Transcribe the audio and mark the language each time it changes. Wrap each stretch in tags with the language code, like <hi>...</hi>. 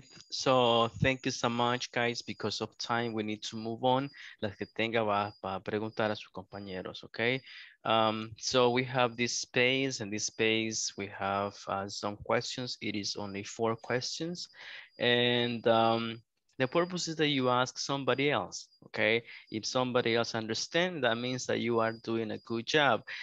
<en>So thank you so much, guys. Because of time, we need to move on.</en> <es>Las que tenga va para preguntar a sus compañeros, okay?</es> <en>So we have this space, and this space we have some questions. It is only 4 questions, and the purpose is that you ask somebody else, okay? If somebody else understands, that means that you are doing a good job.</en>